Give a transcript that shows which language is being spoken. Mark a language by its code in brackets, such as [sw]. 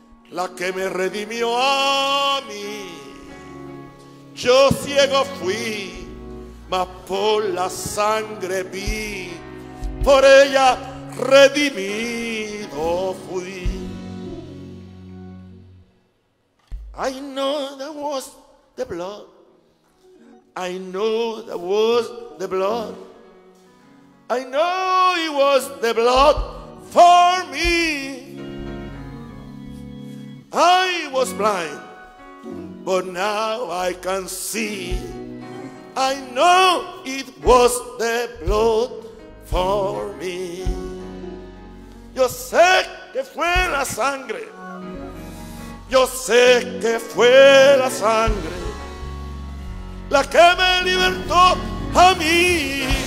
[es] la que me redimió a mí. Yo ciego fui, mas por la sangre vi, por ella redimido fui. [en] I know that was the blood. I know that was the blood. I know it was the blood for me. I was blind, but now I can see. I know it was the blood for me. [es] Yo sé que fue la sangre. Yo sé que fue la sangre la que me libertó a mí.